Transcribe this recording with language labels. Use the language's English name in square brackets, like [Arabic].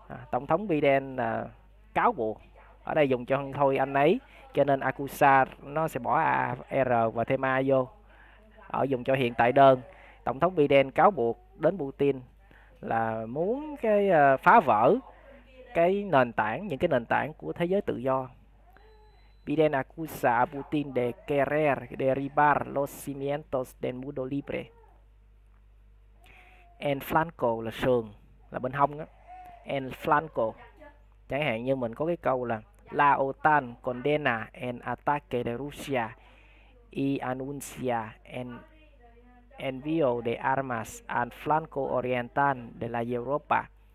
[Vietnamese] Tổng thống Biden cáo buộc. Ở đây dùng cho thôi anh ấy, cho nên acusa nó sẽ bỏ a, r và thêm a vô. Ở dùng cho hiện tại đơn, tổng thống Biden cáo buộc đến Putin là muốn cái phá vỡ cái nền tảng, những cái nền tảng của thế giới tự do. [Spanish] Biden acusa a Putin de querer derribar los cimientos del mundo libre. [Vietnamese] En flanco là sườn, là bên hông á. [Spanish] En flanco. [Vietnamese] Chẳng hạn như mình có cái câu là [Spanish] La OTAN condena el ataque de Rusia y anuncia el envío de armas al flanco oriental de la Europa.